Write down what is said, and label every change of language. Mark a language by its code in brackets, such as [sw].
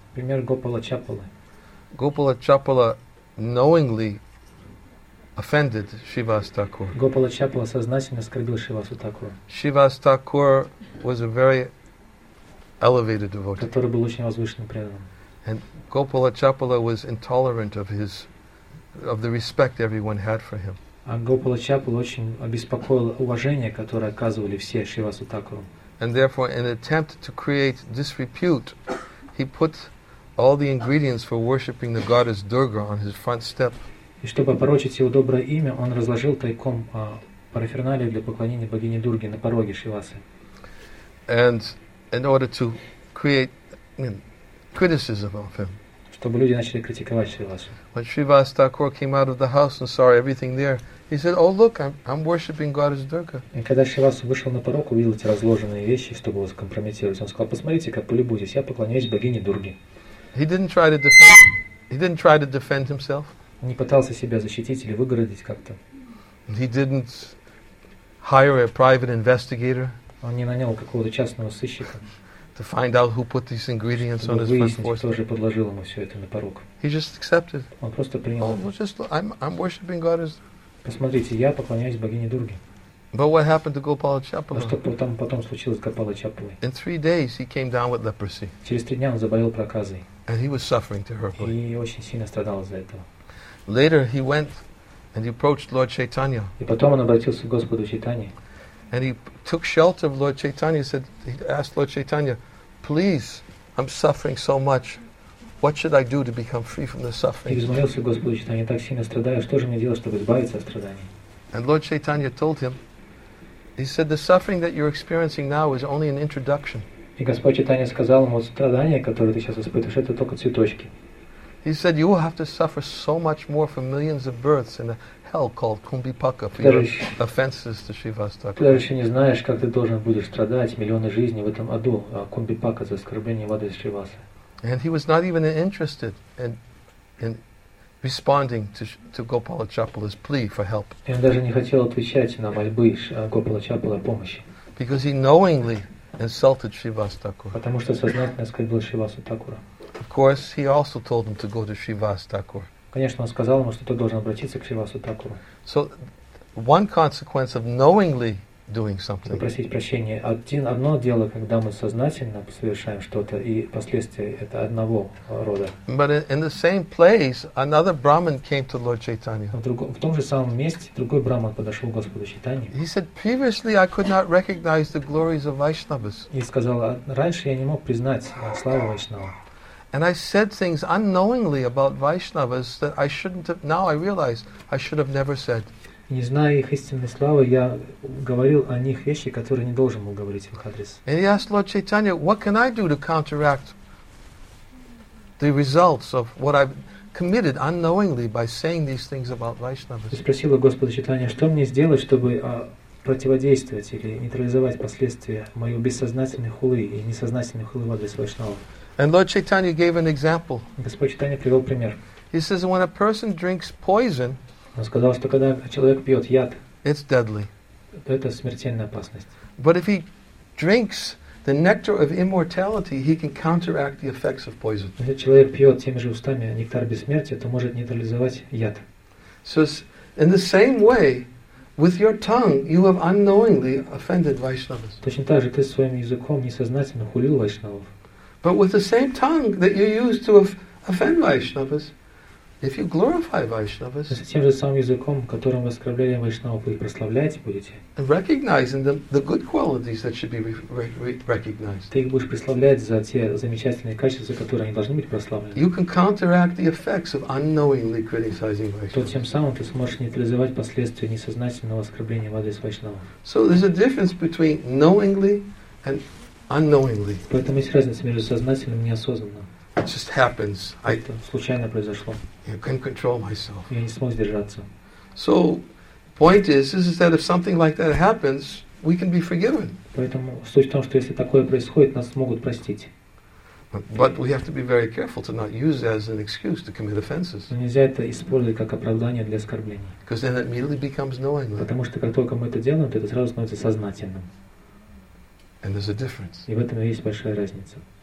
[ru] Пример Гопала Чапалы. [en] Gopala Chapala knowingly offended Shivas Thakur. [ru] Гопала Чапала сознательно оскорбил Шивасу Такура. [en] Shivas Thakur was a very elevated devotee, [ru] который был очень возвышенным преданным. [en] And Gopala Chapala was intolerant of the respect everyone had for him. [ru] А Гопала Чапала очень обеспокоил уважение, которое оказывали все Шивасу Такуру. [en] And therefore, in an attempt to create disrepute, he put all the ingredients for worshiping the goddess Durga on his front step. [ru] И чтобы опорочить его доброе имя, он разложил тайком параферналии для поклонения богине Дурге на пороге Шивасы. [en] And in order to create, you know, criticism of him. [ru] Чтобы люди начали критиковать Шривасу. [en] When Shrivas Thakur came out of the house and saw everything there, he said, "Oh, look, I'm worshiping goddess Durga." [ru] И когда Шривасу вышел на порог, увидел эти разложенные вещи, чтобы вас компрометировать, он сказал: "Посмотрите, как полюбуйтесь, я поклоняюсь богине Дурге." [en] He didn't try to defend himself. [ru] Не пытался себя защитить или выгородить как-то. [en] He didn't hire a private investigator. [ru] Он не нанял какого-то частного сыщика, [en] to find out who put these ingredients [ru] чтобы [en] on his [ru] выяснить, кто же подложил ему все это на порог. [en] He just accepted. [ru] Он просто принял. [en] Oh, well, just, I'm worshiping God as... [ru] Посмотрите, я поклоняюсь богине Дурге. [en] But what happened to Gopala Chapala? [ru] А что там потом случилось с Гопалой Чапалой? [en] In 3 days he came down with leprosy. [ru] Через 3 дня он заболел проказой. [en] And he was suffering terribly. [ru] И очень сильно страдал из-за этого. [en] Later he went and he approached Lord Chaitanya. [ru] И потом он обратился к Господу Чайтанье. [en] And he took shelter of Lord Chaitanya. Said, he asked Lord Chaitanya, "Please, I'm suffering so much. What should I do to become free from the suffering?" [ru] И взмолился Господу Чайтанье: "Так сильно страдаю. Что же мне делать, чтобы избавиться от страданий?" [en] And Lord Chaitanya told him, he said, "The suffering that you're experiencing now is only an introduction." [ru] И Господь Чайтанья сказал ему: "Страдания, которые ты сейчас испытываешь, это только цветочки." [en] He said, "You will have to suffer so much more for millions of births in a hell called Kumbhipaka for your offenses to Shivas Thakur." [ru] Ты даже еще не знаешь, как ты должен будешь страдать миллионы жизней в этом аду Кумбхипака за оскорбление в адрес Шривасы. [en] And he was not even interested in responding to Gopala Chapala's plea for help. [ru] И он даже не хотел отвечать на мольбы Гопала Чапалы о помощи. [en] Because he knowingly insulted Shivas Thakur. [ru] Потому что сознательно оскорбил Шривасу Такура. [en] Of course, he also told him to go to Shivas Thakur. [ru] Конечно, он сказал ему, что ты должен обратиться к Шривасу Такуру. [en] So, one consequence of knowingly doing something. [ru] Просить прощения. Одно дело, когда мы сознательно совершаем что-то, и последствия это одного рода. [en] But in the same place, another Brahman came to Lord Chaitanya. [ru] В том же самом месте другой Брахман подошел к Господу Чайтанье. [en] He said, previously I could not recognize the glories of Vaishnavas. [ru] И сказал, раньше я не мог признать славу Вайшнава. [en] And I said things unknowingly about Vaishnavas that I shouldn't have. Now I realize I should have never said. [ru] Не зная их истинной славы, я говорил о них вещи, которые не должен был говорить в их адрес. [en] And he asked Lord Chaitanya, "What can I do to counteract the results of what I've committed unknowingly by saying these things about Vaishnavas?" [ru] И спросил у Господа Чайтанья, что мне сделать, чтобы противодействовать или нейтрализовать последствия моих бессознательных хулы и несознательных хулы в адрес Вайшнава. [en] And Lord Chaitanya gave an example. [ru] Господь Чайтанья привел пример. [en] He says, when a person drinks poison, [ru] он сказал, что когда человек пьет яд, [en] it's deadly. [ru] Это смертельная опасность. [en] But if he drinks the nectar of immortality, he can counteract the effects of poison. [ru] Если человек пьет теми же устами нектар бессмертия, то может нейтрализовать яд. [en] So in the same way, with your tongue, you have unknowingly offended Vaishnavas. [ru] Точно так же ты своим языком несознательно хулил Вайшнавов. [en] But with the same tongue that you use to offend Vaishnavas, if you glorify Vaishnavas, [ru] с тем же самым языком, которым вы оскорбляли Вайшнавов, вы прославляете будете. [en] And recognizing the good qualities that should be recognized. [ru] Ты их будешь прославлять за те замечательные качества, которые они должны быть прославлены. [en] You can counteract the effects of unknowingly criticizing Vaishnavas. [ru] То тем самым ты сможешь нейтрализовать последствия несознательного оскорбления в адрес Вайшнавов. [en] So there's a difference between knowingly and unknowingly. [ru] Поэтому есть разница между сознательным и неосознанным. [en] It just happens. [ru] Это случайно произошло. [en] I can't control myself. [ru] Я не смог сдержаться. [en] So, point is that if something like that happens, we can be forgiven. [ru] Поэтому суть в том, что если такое происходит, нас могут простить. [en] But we have to be very careful to not use that as an excuse to commit offenses. [ru] Но нельзя это использовать как оправдание для оскорблений. [en] Because then it immediately becomes knowingly. [ru] Потому что как только мы это делаем, то это сразу становится сознательным. [en] And there's a difference. [ru] И в этом есть большая разница.